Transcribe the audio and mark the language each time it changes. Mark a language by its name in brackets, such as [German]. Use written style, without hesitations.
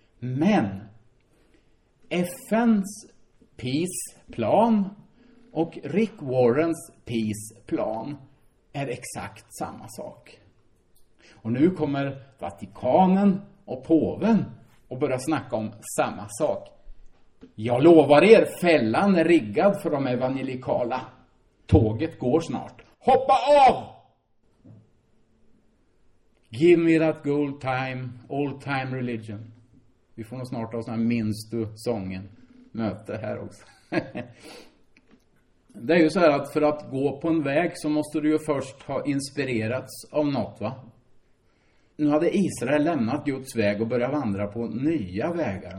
[Swedish] Men FN:s peaceplan och Rick Warrens peaceplan är exakt samma sak. Och nu kommer Vatikanen och påven och börja snacka om samma sak. Jag lovar er, fällan är riggad för de evangelikala. Tåget går snart. Hoppa av! [English] Give me that old time, old time religion. [Swedish] Vi får nog snart ha sån här minst du sången möte här också. Det är ju så här att för att gå på en väg så måste du ju först ha inspirerats av något, va? Nu hade Israel lämnat Guds väg och börjat vandra på nya vägar.